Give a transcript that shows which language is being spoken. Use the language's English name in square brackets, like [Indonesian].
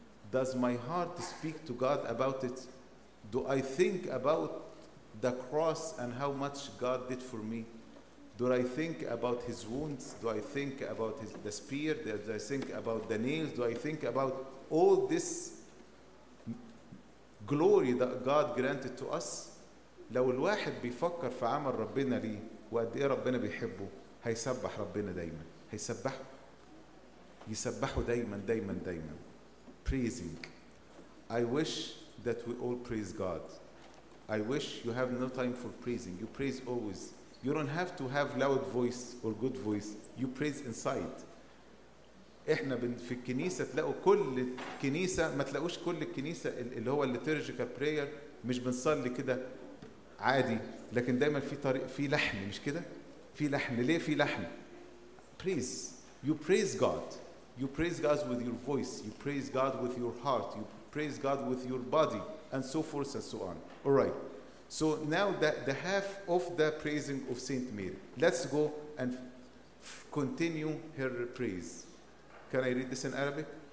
[English] Does my heart speak to God about it? Do I think about the cross and how much God did for me? Do I think about his wounds? Do I think about the spear? Do I think about the nails? Do I think about all this glory that God granted to us? [Arabic] لو الواحد بيفكر في عمل ربنا لي وقد ايه ربنا بيحبه هيسبح ربنا دايما هيسبحه يسبحه دايما دايما دايما [English] praising. I wish that we all praise God. I wish you have no time for praising. You praise always. You don't have to have loud voice or good voice. You praise inside. [Arabic] احنا في الكنيسة تلاقوا كل الكنيسة ما تلاقوش كل الكنيسة اللي هو الليتورجيكال [English] prayer [Arabic] مش بنصلي كده عادي لكن دايما في طريق في لحن مش كده في لحن ليه في لحن [English] praise you praise God you praise God with your voice you praise God with your heart you praise God with your body and so forth and so on all right so now the half of the praising of Saint Mary let's go and continue her praise can I read this in Arabic